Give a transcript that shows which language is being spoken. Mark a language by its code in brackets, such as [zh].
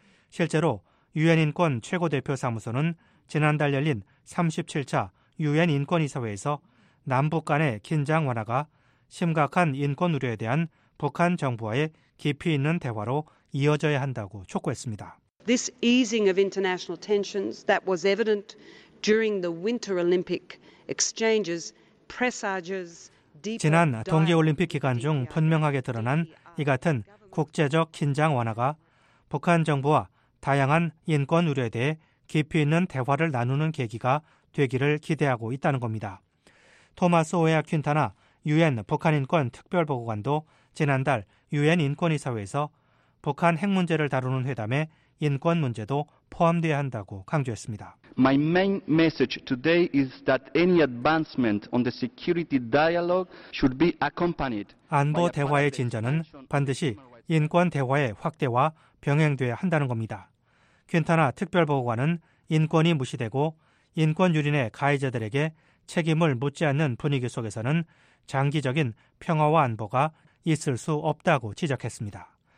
[ko] 실제로 유엔인권 최고대표사무소는 지난달 열린 37차 유엔인권이사회에서 남북 간의 긴장 완화가 심각한 인권 우려에 대한 북한 정부와의 깊이 있는 대화로 이어져야 한다고 촉구했습니다. [en] This easing of international tensions that was evident during the Winter Olympic exchanges presages deep. [ko] 지난 동계올림픽 기간 중 분명하게 드러난 이 같은 국제적 긴장 완화가 북한 정부와 다양한 인권 우려에 대해 깊이 있는 대화를 나누는 계기가 되기를 기대하고 있다는 겁니다. 토마스 오야 퀸타나 유엔 북한인권특별보고관도 지난달 유엔인권이사회에서 북한 핵 문제를 다루는 회담에 인권 문제도 포함돼야 한다고 강조했습니다. [en] My main message today is that any advancement on the security dialogue should be accompanied. [ko] 안보 대화의 진전은 반드시 인권 대화의 확대와 병행돼야 한다는 겁니다. 퀸타나 특별보고관은 인권이 무시되고 인권 유린의 가해자들에게 책임을 묻지 않는 분위기 속에서는 장기적인 평화와 안보가 있을 수 없다고 지적했습니다.